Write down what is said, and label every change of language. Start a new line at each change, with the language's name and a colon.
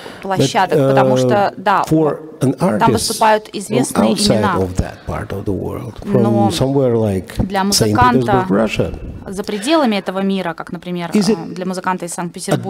Russian: Площадок, потому что, да, там выступают известные имена.
English: Outside of that part of the world, from somewhere like Saint Petersburg, Russia.
Russian: За пределами этого мира, как, например, для музыканта из Санкт-Петербурга.